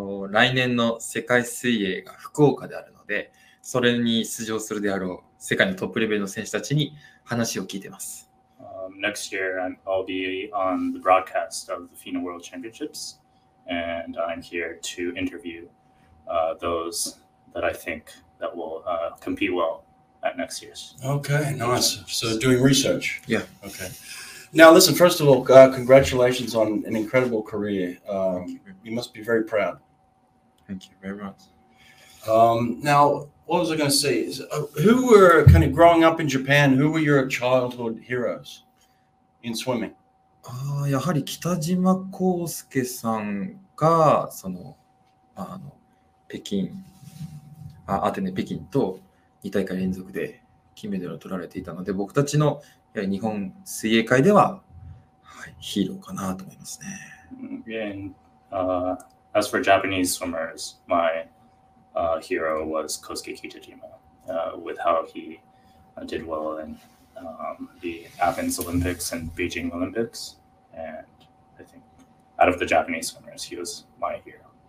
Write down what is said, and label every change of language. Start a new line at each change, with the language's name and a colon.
Japanese: 来年の世界水泳が福岡であるので、それに出場するであろう世界のトップレベルの選手たちに話を聞いてます。
English: Next year, I'll be on the broadcast of the FINA World Championships, and I'm here to interview those that I think... that will compete well at next year's. Okay, nice. So doing research. Yeah. Okay. Now listen, first of all, congratulations on an incredible career. You must be very proud. Thank you very much. Now, what was I going to say? Who were kind of growing up in Japan, who were your childhood heroes in swimming?
Japanese: やはり北島康介さんがその、北京アテネ北京と2大会連続で金メダルを取られていたので僕たちのやはり日本水泳界では、はい、ヒーローかなと思いますね。
English: And, as for Japanese swimmers, my hero was Kosuke Kitajima, with how he did well in the Athens Olympics and Beijing Olympics. And I think out of the Japanese swimmers, he was my hero.